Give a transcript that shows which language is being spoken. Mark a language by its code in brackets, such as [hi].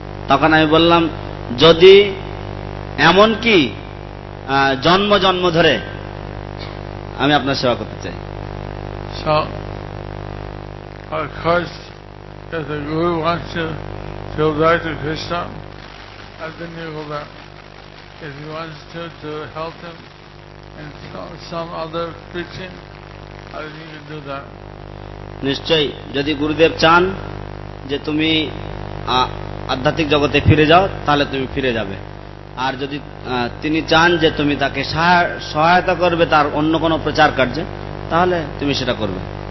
[bn] তখন আমি বললাম যদি এমন কি জন্ম জন্ম ধরে আমি আপনার সেবা করতে চাই। [en] curse if the Guru wants you to go back to Krishna, and then you go back. If he wants you to help him in some other preaching, I think you do that. [bn] নিশ্চয় যদি গুরুদেব চান যে তুমি আধ্যাত্মিক জগতে ফিরে যাও তাহলে তুমি ফিরে যাবে, আর যদি তিনি চান যে তুমি তাকে সহায়তা করবে তার অন্য কোন প্রচার কার্যে তাহলে তুমি সেটা করবে।